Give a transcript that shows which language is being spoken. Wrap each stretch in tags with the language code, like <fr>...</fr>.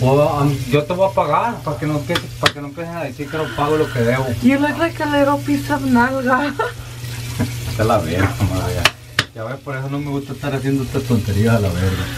<es>Well, yo te voy a pagar para que no empiecen a decir que no pago lo que debo.</es> <en>You look like a little piece of nalga.</en> <es>Está la verga, Maya. Ya ves, por eso no me gusta estar haciendo estas tonterías a la verga.</es>